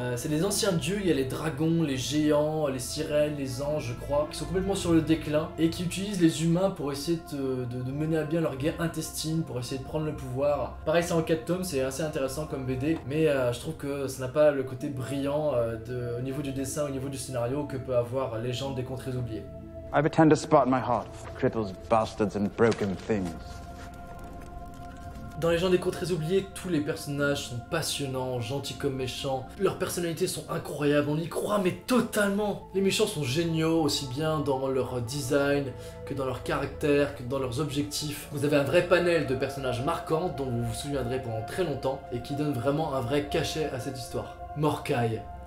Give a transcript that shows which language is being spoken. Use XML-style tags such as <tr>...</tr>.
<fr>C'est des anciens dieux, il y a les dragons, les géants, les sirènes, les anges, je crois, qui sont complètement sur le déclin et qui utilisent les humains pour essayer de mener à bien leur guerre intestine, pour essayer de prendre le pouvoir. Pareil, c'est en 4 tomes, c'est assez intéressant comme BD, mais je trouve que ça n'a pas le côté brillant au niveau du dessin, au niveau du scénario que peut avoir Légende des Contrées Oubliées.</fr> <en>I have a tender spot in my heart for cripples, bastards, and broken things.</en> <fr>Dans Les gens des contrées oubliées, tous les personnages sont passionnants, gentils comme méchants. Leurs personnalités sont incroyables, on y croit mais totalement. Les méchants sont géniaux, aussi bien dans leur design, que dans leur caractère, que dans leurs objectifs. Vous avez un vrai panel de personnages marquants dont vous vous souviendrez pendant très longtemps et qui donnent vraiment un vrai cachet à cette histoire. Morkai.</fr>